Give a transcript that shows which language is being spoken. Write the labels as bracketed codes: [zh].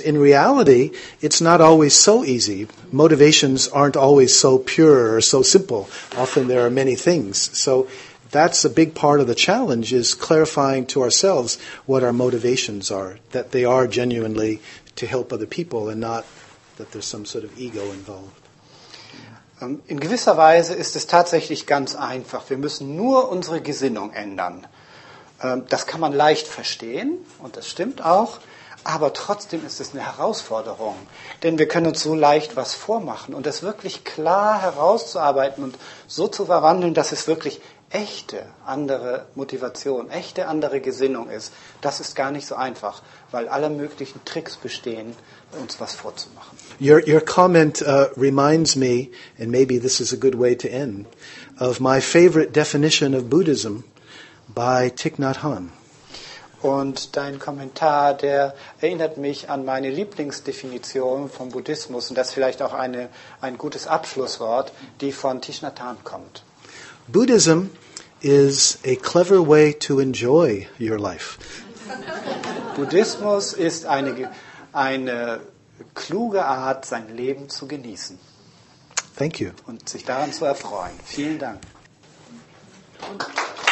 [en] In reality, it's not always so easy. Motivations aren't always so pure or so simple. Often there are many things. So that's a big part of the challenge, is clarifying to ourselves what our motivations are, that they are genuinely to help other people and not that there's some sort of ego involved. [de] In gewisser Weise ist es tatsächlich ganz einfach. Wir müssen nur unsere Gesinnung ändern. Das kann man leicht verstehen und das stimmt auch, aber trotzdem ist es eine Herausforderung, denn wir können uns so leicht was vormachen und das wirklich klar herauszuarbeiten und so zu verwandeln, dass es wirklich echte andere Motivation, echte andere Gesinnung ist, das ist gar nicht so einfach, weil alle möglichen Tricks bestehen, uns was vorzumachen. [en] Your comment reminds me, and maybe this is a good way to end, of my favorite definition of Buddhism by Thich Nhat Hanh. [de] Und dein Kommentar, der erinnert mich an meine Lieblingsdefinition vom Buddhismus und das ist vielleicht auch ein gutes Abschlusswort, die von Thich Nhat Hanh kommt. [en] Buddhism is a clever way to enjoy your life. [de] Buddhismus ist eine kluge Art, sein Leben zu genießen. [en] Thank you. [de] Und sich daran zu erfreuen. Vielen Dank. Und